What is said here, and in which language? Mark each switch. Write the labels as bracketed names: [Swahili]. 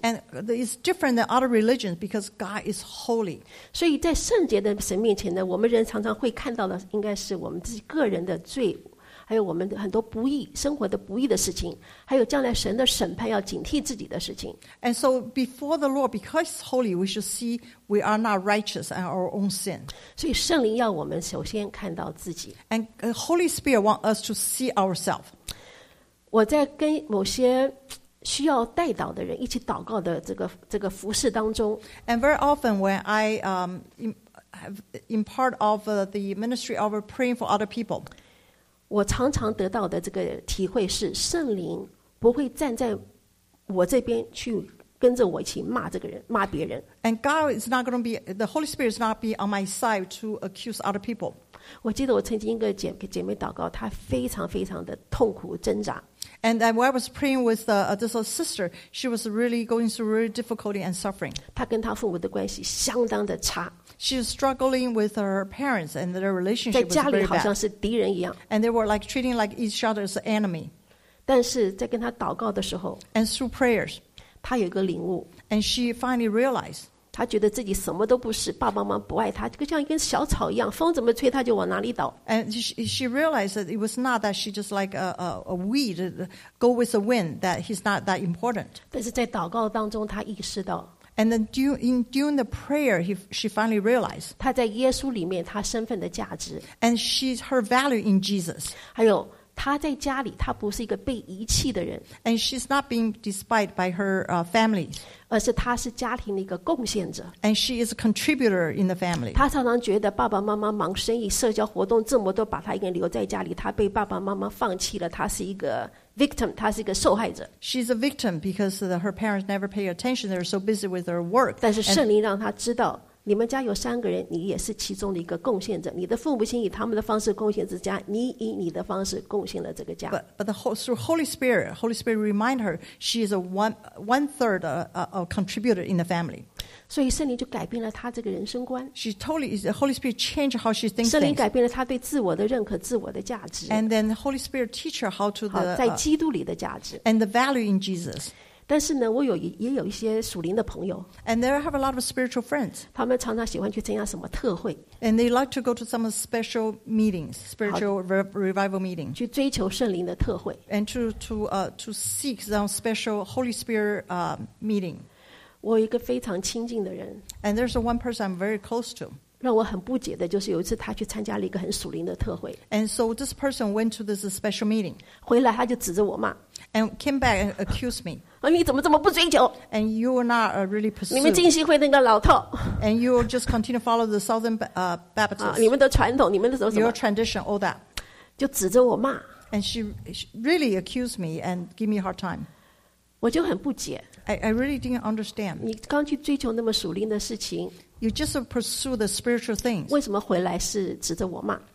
[English] And it's different than other religions because God is holy. [Chinese] 所以在圣洁的神面前呢，我们人常常会看到的应该是我们自己个人的罪，还有我们很多不义生活的不义的事情，还有将来神的审判要警惕自己的事情。 [English] And so before the Lord, because holy, we should see we are not righteous and our own sin. [Chinese] 所以圣灵要我们首先看到自己。 [English] And Holy Spirit want us to see ourselves. [Chinese] 我在跟某些需要代祷的人一起祷告的这个服事当中。 [English] And very often when I have in part of the ministry of praying for other people, [Chinese] 我常常得到的这个体会是圣灵不会站在我这边去跟着我一起骂这个人骂别人。 [English] And God is not going to be, the Holy Spirit is not be on my side to accuse other people. [Chinese] 我记得我曾经一个 姐妹祷告，她非常非常的痛苦挣扎。 [English] And I was praying with this sister. She was really going through really difficulty and suffering. [Chinese] 她跟她父母的关系相当的差。 [English] She was struggling with her parents and their relationship was very bad. [Chinese] 在家里好像是敌人一样。 [English] And they were like treating like each other as an enemy. [Chinese] 但是在跟她祷告的时候。 [English] And through prayers. [Chinese] 她有一个领悟。 [English] And she finally realized. [Chinese] 他觉得自己什么都不是，爸爸妈妈不爱他，就像一根小草一样，风怎么吹他就往哪里倒。 [English] And she realized that it was not that she just like a weed, go with the wind, that he's not that important. [Chinese] 但是在祷告当中，他意识到。 [English] And then during the prayer, she finally realized. [Chinese] 他在耶稣里面，他身份的价值。 [English] And she's her value in Jesus. [Chinese] 还有他在家里，他不是一个被遗弃的人。 [English] And she's not being despised by her family. [Chinese] 而是他是家庭的一个贡献者。 [English] And she is a contributor in the family. [Chinese] 他常常觉得爸爸妈妈忙生意社交活动这么多把他一个人留在家里他被爸爸妈妈放弃了他是一个 victim, 他是一个受害者。 [English] She's a victim because her parents never pay attention, they're so busy with their work. [Chinese] 但是圣灵让他知道你们家有三个人你也是其中的一个贡献者你的父母亲以他们的方式贡献这家你以你的方式贡献了这个家 [English] But through Holy Spirit remind her she is one third of contributor in the family [Chinese] 所以圣灵就改变了她这个人生观 [English] She totally is Holy Spirit changed how she thinks [Chinese] 圣灵改变了她对自我的认可自我的价值 [English] And then Holy Spirit teach her how to the [Chinese] 在基督里的价值 [English] And the value in Jesus [Chinese] 但是呢我有也有一些属灵的朋友 [English] And they have a lot of spiritual friends [Chinese] 他们常常喜欢去参加什么特会 [English] And they like to go to some special meetings Spiritual revival meeting [Chinese] 去追求圣灵的特会 [English] And to seek some special Holy Spirit meeting [Chinese] 我有一个非常亲近的人 [English] And there's one person I'm very close to [Chinese] 让我很不解的就是有一次他去参加了一个很属灵的特会 [English] And so this person went to this special meeting [Chinese] 回来他就指着我骂 [English] And came back and accused me [Chinese] 你怎么这么不追求 [English] And you are not really pursued [Chinese] 你们浸信会那个老套 [English] And you will just continue to follow the Southern Baptists [Chinese] 你们的传统你们的什么什么 [English] Your tradition, all that [Chinese] 就指着我骂 [English] And she really accused me and gave me a hard time [Chinese] 我就很不解 [English] I really didn't understand [Chinese] 你刚去追求那么属灵的事情 [English] You just pursue the spiritual things [Chinese] 为什么回来是指着我骂